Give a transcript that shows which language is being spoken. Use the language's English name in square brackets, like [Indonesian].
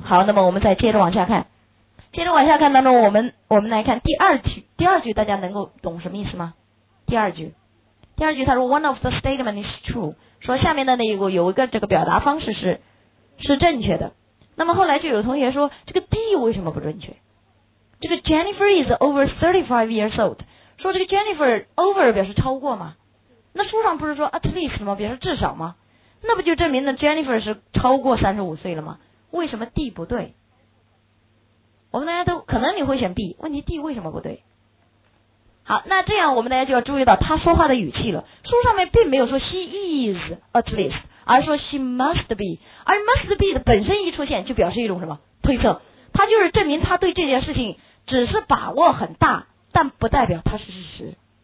[Chinese] 好，那么我们再接着往下看，接着往下看当中，我们来看第二句，大家能够懂什么意思吗？第二句他说 [English] one of the statement is true， [Chinese] 说下面的那个有一个这个表达方式是正确的。那么后来就有同学说这个 D 为什么不准确？这个 [English] Jennifer is over 35 years old， [Chinese] 说这个 Jennifer over 表示超过吗？那书上不是说 at least 吗？表示至少吗？那不就证明了 Jennifer 是超过35岁了吗？为什么 D 不对？我们大家都可能你会选 B， 问题 D 为什么不对？好，那这样我们大家就要注意到他说话的语气了。书上面并没有说 [English] she is at least， [Chinese] 而说 [English] she must be， [Chinese] 而 must be 的本身一出现就表示一种什么推测，他就是证明他对这件事情只是把握很大，但不代表他是事实。